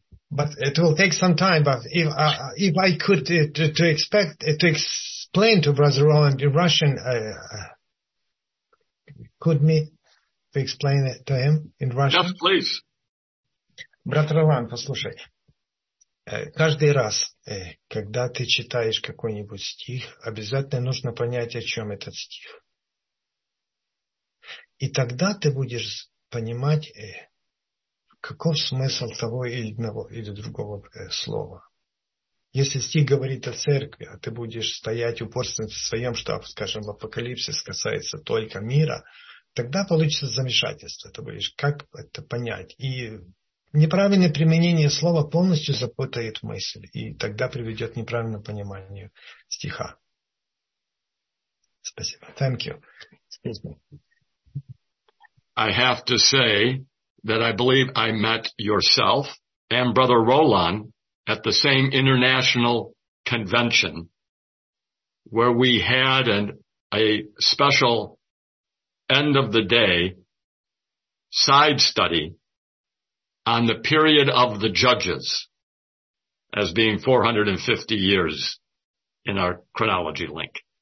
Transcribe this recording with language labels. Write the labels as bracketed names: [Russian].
[English] But it will take some time. But if I could to expect to explain to Brother Roland in Russian, could me to explain it to him in Russian? Yes, please. [Russian] Брат Роланд, послушай. Каждый раз, когда ты читаешь какой-нибудь стих, обязательно нужно понять, о чем этот стих. И тогда ты будешь понимать, каков смысл того или одного или другого слова. Если стих говорит о церкви, а ты будешь стоять упорствовать в своем, что, скажем, в Апокалипсис касается только мира, тогда получится замешательство. Ты будешь как это понять? И неправильное применение слова полностью запутает мысль, и тогда приведет к неправильному пониманию стиха. Спасибо. [English] Thank you. Excuse me. I have to say that I believe I met yourself and Brother Roland at the same international convention where we had a special end of the day side study on the period of the judges as being 450 years in our chronology link.